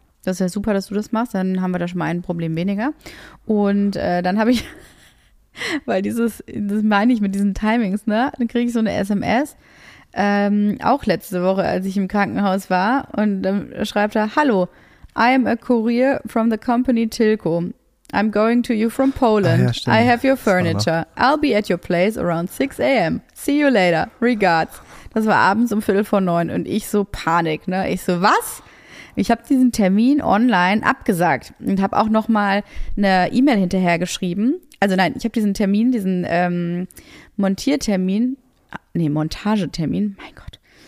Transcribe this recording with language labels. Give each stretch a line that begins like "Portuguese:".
German: Das ist ja super, dass du das machst, dann haben wir da schon mal ein Problem weniger. Und dann habe ich... Weil dieses, das meine ich mit diesen Timings, ne? Dann kriege ich so eine SMS, auch letzte Woche, als ich im Krankenhaus war. Und dann schreibt er, hallo,
English: I am a courier from the company Tilco. I'm going to you from Poland.
German: Ah, ja,
English: I have your furniture. I'll be at your place around 6 a.m. See you later. Regards.
German: Das war abends 8:45 und ich so Panik, ne? Ich so, was? Ich habe diesen Termin online abgesagt und habe auch nochmal eine E-Mail hinterher geschrieben. Also nein, ich habe diesen Termin, diesen Montagetermin, mein Gott.